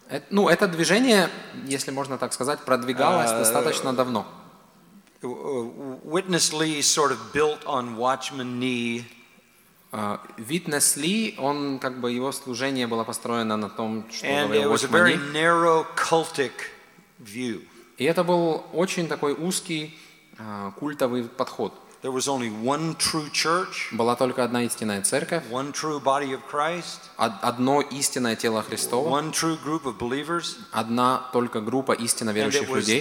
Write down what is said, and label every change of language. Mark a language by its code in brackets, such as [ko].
[ru] Ну, это движение, если можно так сказать, продвигалось достаточно давно. [en] Witness Lee sort of built on Watchman Nee. [ru] Witness Lee, он как бы его служение было построено на том, что говорил [en] Watchman Nee. And it was a very narrow cultic view. [ru] И это был очень такой узкий культовый подход. [en] There was only one true church. [ru] Была только одна истинная церковь. [en] One true body of Christ. [ru] Одно истинное тело Христово. [en] One true group of believers. [ru] Одна только группа истинно верующих людей.